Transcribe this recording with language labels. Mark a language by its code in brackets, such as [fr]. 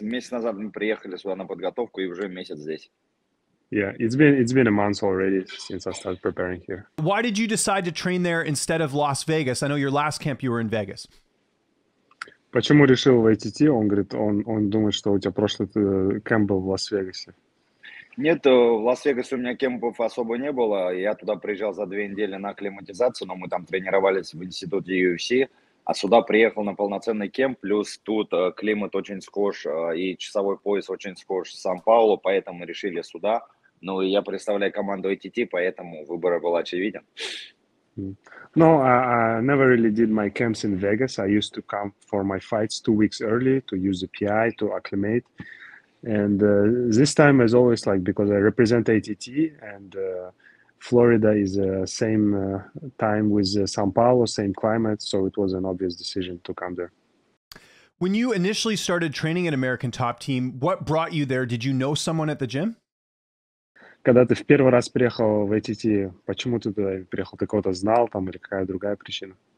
[ru] Месяц назад мы приехали сюда на подготовку и уже месяц здесь. [en] Yeah, it's been a month already since I started preparing here. Why did you decide to train there instead of Las Vegas? I know your last camp you were in Vegas. [ru] Почему решил в ATT? Он говорит, он думает, что у тебя прошлый кемп был в Лас-Вегасе. Нет, в Лас-Вегасе у меня кемпов особо не было. Я туда приезжал за две недели на акклиматизацию, но мы там тренировались в институте UFC. А сюда приехал на полноценный кемп, плюс тут климат очень схож и часовой пояс очень схож с Сан-Паулу, поэтому решили сюда. Ну и я представляю команду ATT, поэтому выбор был очевиден. [en] No, I never really did my camps in Vegas. I used to come for my fights 2 weeks early to use the PI to acclimate. And this time, as always, like because I represent ATT and Florida is the same time with São Paulo, same climate, so it was an obvious decision to come there. When you initially started training at American Top Team, what brought you there? Did you know someone at the gym? [ru] Когда ты в первый раз приехал в ATT, почему ты туда приехал? Ты кого-то знал там или какая другая причина?